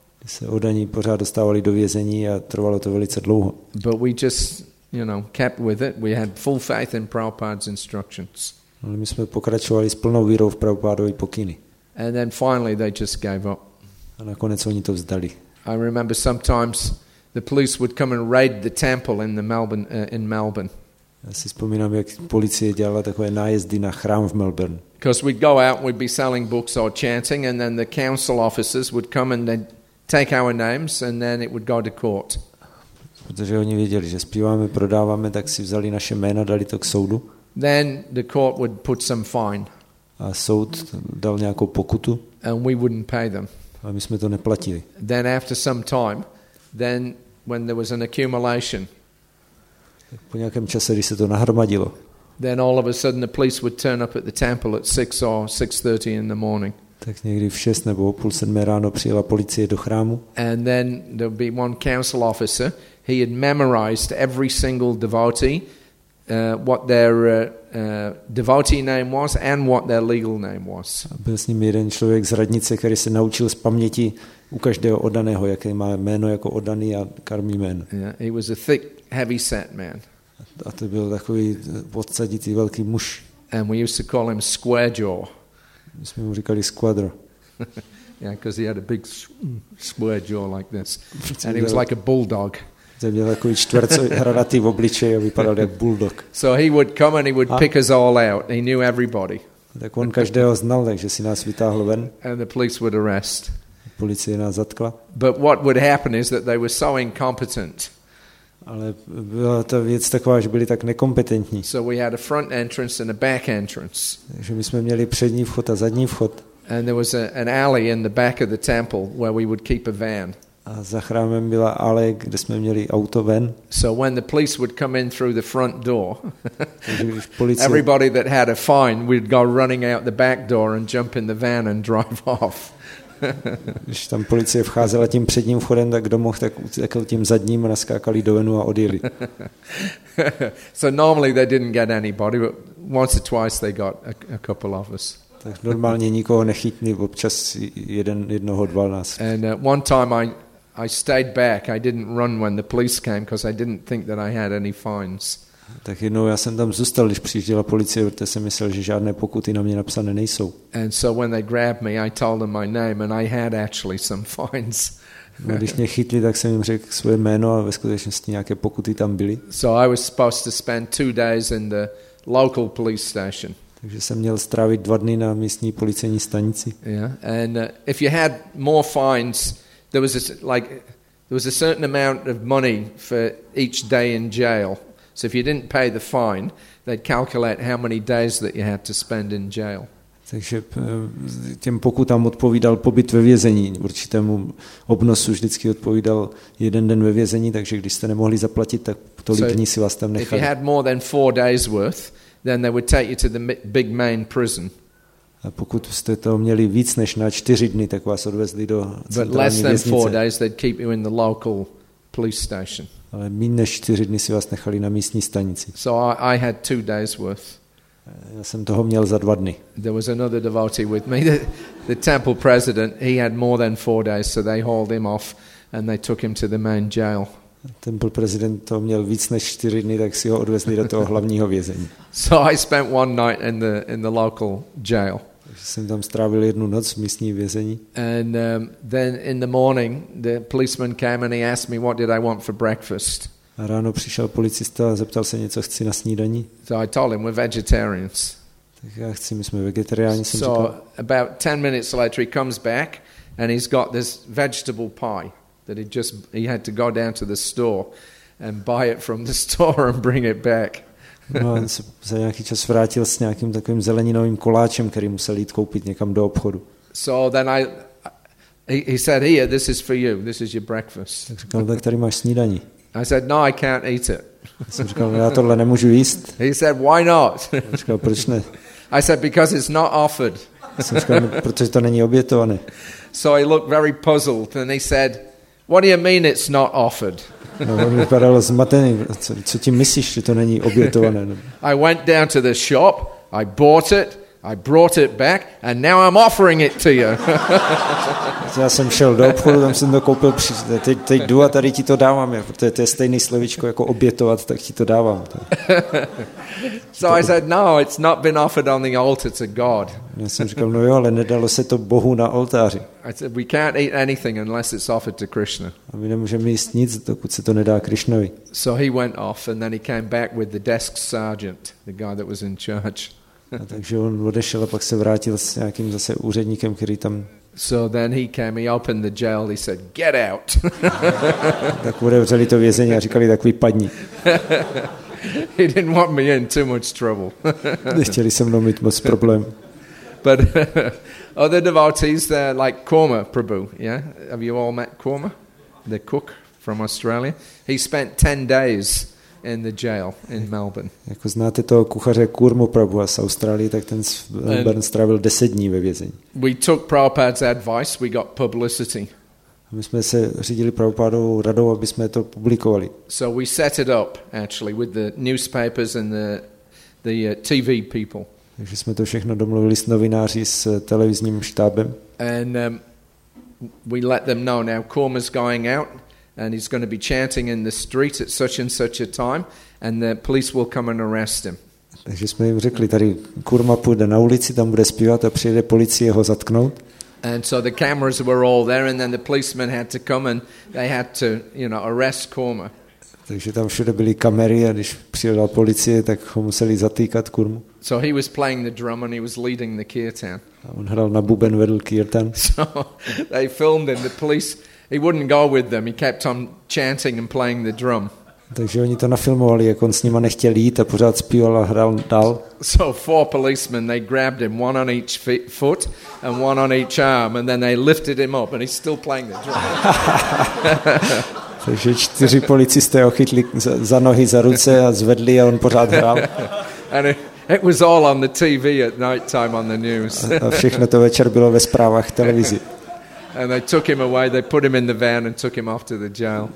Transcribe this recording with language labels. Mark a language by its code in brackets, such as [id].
[cs] Se oddaní pořád dostávali do vězení a trvalo to velice dlouho. [en] But we just, you know, kept with it. We had full faith in Prabhupada's instructions. [cs] Ale my jsme pokračovali s plnou vírou v Prabhupádovy pokyny. [en] And then finally they just gave up. [cs] A nakonec oni to vzdali. [en] I remember sometimes the police would come and raid the temple in the Melbourne in Melbourne. [cs] Já si vzpomínám, jak policie dělala takové nájezdy na chrám v Melbourne. [en] Because we'd go out and we'd be selling books or chanting, and then the council officers would come and they'd take our names, and then it would go to court. [cs] Protože oni věděli, že zpíváme, prodáváme, tak si vzali naše jména, dali to k soudu. [en] Then the court would put some fine. [cs] A soud dal nějakou pokutu. [en] And we wouldn't pay them. [cs] A my jsme to neplatili. [en] Then after some time, then when there was an accumulation. [cs] Po nějakém čase, když se to nahromadilo. [en] Then all of a sudden the police would turn up at the temple at 6 or 6:30 in the morning. [cs] Tak někdy v 6 nebo o půl 7 ráno přijela policie do chrámu. [en] And then there would be one council officer. He had memorized every single devotee, what their devotee name was and what their legal name was. [cs] Byl s ním jeden člověk z radnice, který se naučil z paměti u každého oddaného, jaké má jméno jako oddaný a karmí jméno. [en] Yeah, he was a thick, heavy set man. [cs] A to byl takový odsaditý velký muž. [en] And we used to call him Square Jaw. [cs] My jsme mu říkali Squadro. [en] Yeah, because he had a big square jaw like this. And he was like a bulldog. [cs] Ten měl takový čtvercový v obličeji a vypadal jak bulldog. [en] So he would come and he would pick us all out. He knew everybody. [cs] Tak on každého znal, takže si nás vytáhl ven. [en] And the police would arrest. [cs] Policie nás zatkla. [en] But what would happen is that they were so incompetent. [cs] Ale byla ta věc taková, že byli tak nekompetentní. [en] So we had a front entrance and a back entrance. [cs] Takže my jsme měli přední vchod a zadní vchod. [en] And there was an alley in the back of the temple where we would keep a van. [cs] A za chrámem byla alej, kde jsme měli auto ven. [en] So when the police would come in through the front door, [cs] policie, [en] everybody that had a fine, we'd go running out the back door and jump in the van and drive off. [cs] Když tam policie vcházela tím předním vchodem, tak kdo mohl, tak utekl tím zadním a naskákali do venu a odjeli. [en] So normally they didn't get anybody, but once or twice they got a couple of us. [cs] Tak normálně nikoho nechytli, občas jednoho dva nás. [en] And one time I stayed back. I didn't run when the police came because I didn't think that I had any fines. [cs] Tak jednou já jsem tam zůstal, když přijížděla policie, protože jsem myslel, že žádné pokuty na mě napsané nejsou. [en] And so when they grabbed me, I told them my name and I had actually some fines. [cs] No, když mě chytli, tak jsem jim řekl svoje jméno a ve skutečnosti nějaké pokuty tam byly. [en] So I was supposed to spend 2 days in the local police station. [cs] Takže jsem měl strávit 2 dny na místní policejní stanici. [en] Yeah. And if you had more fines, there was a certain amount of money for each day in jail. So if you didn't pay the fine, they'd calculate how many days that you had to spend in jail. [cs] Takže těm pokutám odpovídal pobyt ve vězení. Určitému obnosu vždycky odpovídal jeden den ve vězení, takže když jste nemohli zaplatit, tak tolik dní si vás tam nechali. [en] If you had more than 4 days worth, then they would take you to the big main prison. [cs] A pokud jste to měli víc než na 4 dny, tak vás odvezli do centrální věznice. [en] But less than 4 days, they'd keep you in the local police station. [cs] Ale méně než 4 dny si vás nechali na místní stanici. [en] So I had 2 days worth. [cs] Já jsem toho měl za 2 dny. [en] There was another devotee with me, the temple president. He had more than 4 days, so they hauled him off and they took him to the main jail. Temple president [cs] to měl víc než 4 dny, tak si ho odvezli do toho hlavního vězení. [en] So I spent one night in the local jail. [cs] Jsem tam strávil jednu noc v místní vězení. [en] And then in the morning the policeman came and he asked me what did I want for breakfast. [cs] A ráno přišel policista a zeptal se něco, chci na snídani. [en] So I told him we're vegetarians. [cs] Tak já chci, my jsme vegetariáni, jsem so říkal. [en] About 10 minutes later he comes back and he's got this vegetable pie that he had to go down to the store and buy it from the store and bring it back. [cs] No, on se za nějaký čas vrátil s nějakým takovým zeleninovým koláčem, který musel jít koupit někam do obchodu. [en] So then he said, here, this is for you, this is your breakfast. [cs] Tak říkal, tak tady máš snídaní. [en] I said, no, I can't eat it. [cs] Jsem říkal, já tohle nemůžu jíst. [en] He said, why not? [cs] Říkal, proč ne? [en] I said, because it's not offered. [cs] Jsem říkal, protože to není obětované. [en] So he looked very puzzled and he said, what do you mean it's not offered? [cs] No, on vypadal zmatený. Co tím myslíš, že to není obětované? [en] I went down to the shop, I bought it, I brought it back and now I'm offering it to you. [cs] Já jsem šel do obchodu, tam jsem to koupil, teď jdu a tady ti to dávám, protože to je stejný slovíčko jako obětovat, tak ti to dávám. [en] So I said, no, it's not been offered on the altar to God. [cs] Já jsem říkal, no jo, ale nedalo se to Bohu na oltáři. [en] I said, we can't eat anything unless it's offered to Krishna. [cs] A my nemůžeme jíst nic, dokud se to nedá Krishnovi. [en] So he went off and then he came back with the desk sergeant, the guy that was in charge. [cs] A takže on odešel a pak se vrátil s nějakým zase úředníkem, který tam... [en] So then he came, he opened the jail, he said, get out. [cs] Tak odevřeli to vězení a říkali, tak vypadni. [en] He didn't want me in too much trouble. [cs] Nechtěli se mnou mít moc problém. [en] But other devotees there, like Korma Prabhu, yeah? Have you all met Korma? The cook from Australia? He spent 10 days... in the jail in Melbourne. [cs] Jako znáte toho kuchaře Kurmu Prabhu z Austrálie, tak ten Melbourne strávil 10 dní ve vězení. [en] We took Prabhupada's advice, we got publicity. [cs] My jsme se řídili Prabhupádovou radou, aby jsme to publikovali. [en] So we set it up actually with the newspapers and the TV people. [cs] Takže jsme to všechno domluvili s novináři s televizním štábem. [en] And we let them know now Kurma's going out. And he's going to be chanting in the street at such and such a time, and the police will come and arrest him. [cs] Takže jsme jim řekli, tady Kurma půjde na ulici, tam bude zpívat a přijede policie ho zatknout. [en] And so the cameras were all there, and then the policemen had to come and they had to, you know, arrest Kurma. [cs] Takže tam všude byly kamery a když přijela policie, tak ho museli zatýkat Kurmu. [en] So he was playing the drum and he was leading the kirtan. [cs] A on hrál na buben, vedl kirtan. [en] So they filmed him, the police. He wouldn't go with them. He kept on chanting and playing the drum. [cs] Takže oni to nafilmovali, jak on s nima nechtěl jít a pořád zpíval a hrál dál. [en] So four policemen, they grabbed him, one on each foot and one on each arm, and then they lifted him up and he's still playing the drum. [cs] Takže čtyři policisté ho chytli za nohy, za ruce a zvedli a on pořád hrál. [en] And it was all on the TV at night time on the news. [cs] A všechno to večer bylo ve zprávách televizi. [en] And they took him away, they put him in the van and took him off to the jail.